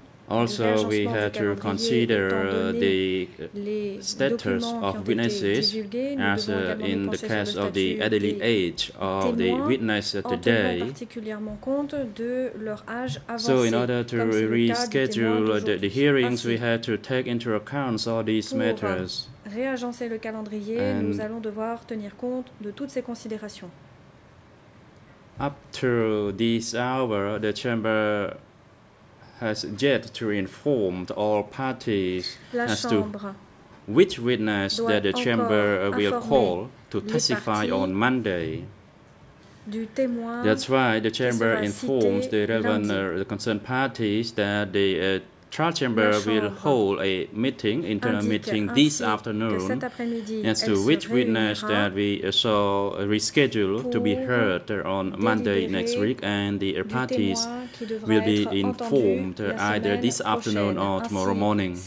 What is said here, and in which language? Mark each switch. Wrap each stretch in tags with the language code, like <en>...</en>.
<en>Also, we had to consider the status of witnesses, as in the case of the elderly age of the witness today. So, in order to reschedule the hearings, we had to take into account all these matters.</en> <fr>Réagencer le calendrier, nous allons devoir tenir compte de toutes ces considérations.</fr> <en>Up to this hour, the chamber has yet to inform all parties as to which witness that the chamber will call to testify on Monday. That's why the chamber informs the relevant concerned parties that the trial chamber will hold a meeting, internal meeting, this afternoon as to which witness that we saw reschedule to be heard on Monday next week, and the parties will be informed either this afternoon or tomorrow morning.</en>